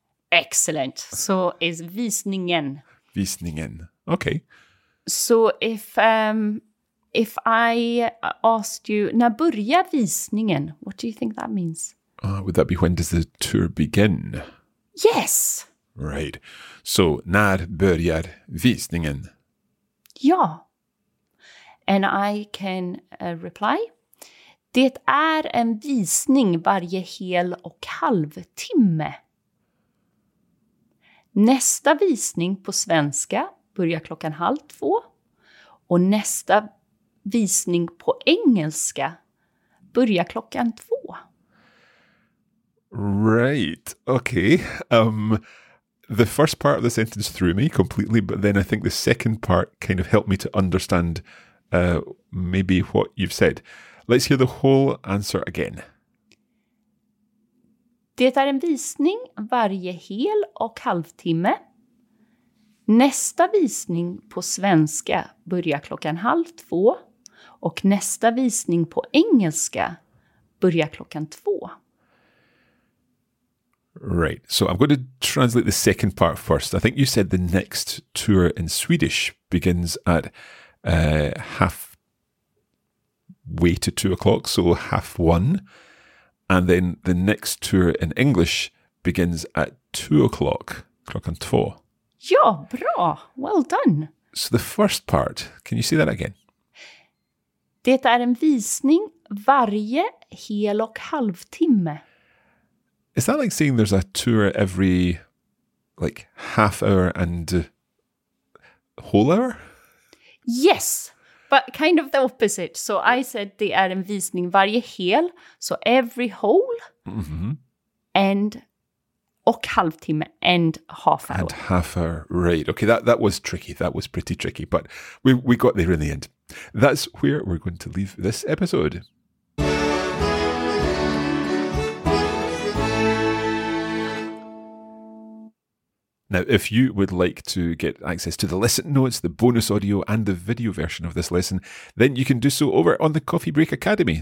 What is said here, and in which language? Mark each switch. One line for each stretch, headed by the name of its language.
English: Excellent. So is visningen. Visningen. Okay. So if I asked you,
Swedish: när börjar visningen?
English: What do you think that means? Would that be when does the tour begin? Yes. Right.
Swedish: So, när börjar visningen?
English: Ja. And I can reply.
Swedish: Det är en visning varje hel- och halvtimme. Nästa visning på svenska börjar klockan 1:30. Och nästa visning på engelska börjar klockan 2:00.
English: Right, okay. The first part of the sentence threw me completely, but then I think the second part kind of helped me to understand maybe what you've said. Let's hear the whole answer again.
Swedish: Det är en visning varje hel- och halvtimme. Nästa visning på svenska börjar klockan 1:30 och nästa visning på engelska börjar klockan 2:00.
English: Right, so I'm going to translate the second part first. I think you said the next tour in Swedish begins at halfway to 2:00, so 1:30. And then the next tour in English begins at 2:00,
Swedish: klockan 2:00. Ja, bra.
English: Well done. So the first part, can you say that again?
Swedish: Det är en visning varje hel- och halvtimme.
English: Is that like saying there's a tour every, like, half hour and whole hour? Yes, but kind of the opposite. So I said
Swedish: det är en visning varje hel,
English: so every whole, mm-hmm. and
Swedish: och halvtimme,
English: and half hour. And half hour, right. Okay, that was tricky. That was pretty tricky, but we got there in the end. That's where we're going to leave this episode. Now, if you would like to get access to the lesson notes, the bonus audio, and the video version of this lesson, then you can do so over on the Coffee Break Academy.